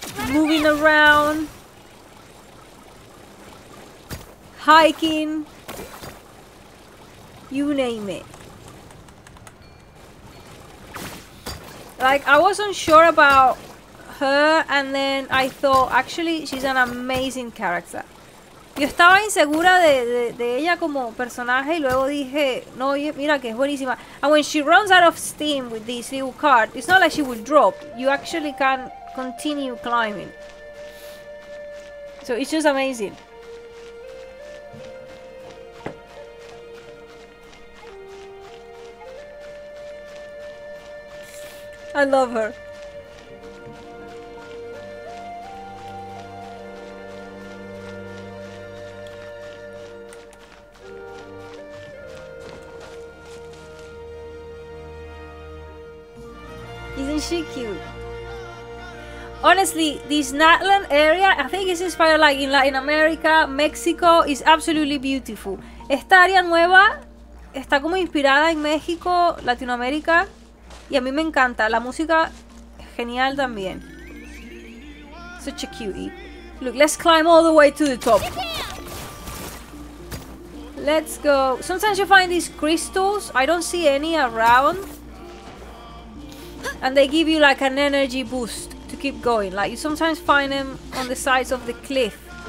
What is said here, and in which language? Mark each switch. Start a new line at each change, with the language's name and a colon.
English: Moving around, hiking, you name it. Like, I wasn't sure about her, and then I thought, actually, she's an amazing character.
Spanish: Yo estaba insegura de ella como personaje, y luego dije, no, mira que es buenísima.
English: And when she runs out of steam with this little cart, it's not like she will drop. You actually can continue climbing. So it's just amazing. I love her. Isn't she cute? Honestly, this Natlan area, I think it's inspired like in Latin America, Mexico, is absolutely beautiful.
Spanish: Esta área nueva está como inspirada en México, Latinoamérica, y a mí me encanta. La música es genial también.
English: Such a cutie. Look, let's climb all the way to the top. Let's go. Sometimes you find these crystals. I don't see any around. And they give you like an energy boost. Keep going, like you sometimes find them on the sides of the cliff.